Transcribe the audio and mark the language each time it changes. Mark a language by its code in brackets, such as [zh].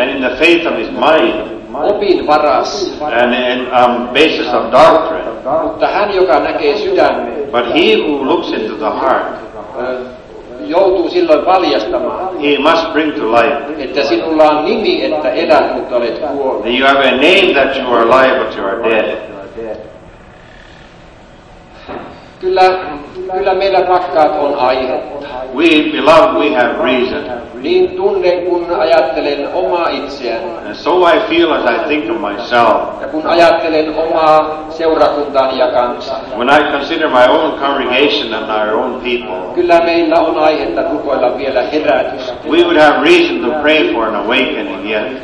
[en] And in the faith of his mind. [fi] Opin varassa. [en] And in basis of doctrine. [fi] Mutta hän, joka näkee sydämen. [en] But he who looks into the heart. [fi] Joutuu silloin paljastamaan. [en] He must bring to light. [fi] Että sinulla on nimi, että elät, mutta olet kuollut. [en] You have a name that you are alive, but you are dead. [fi] Kyllä meillä rakkaat on aihetta. [en] We beloved, we have reason. [fi] Niin tunnen, kun ajattelen omaa itseäni. [en] And so I feel as I think of myself. [fi] Ja kun ajattelen omaa seurakuntaani ja kansaa. [en] When I consider my own congregation and our own people. [fi] Kyllä meillä on aihetta rukoilla vielä herätys. [en] We would have reason to pray for an awakening yet.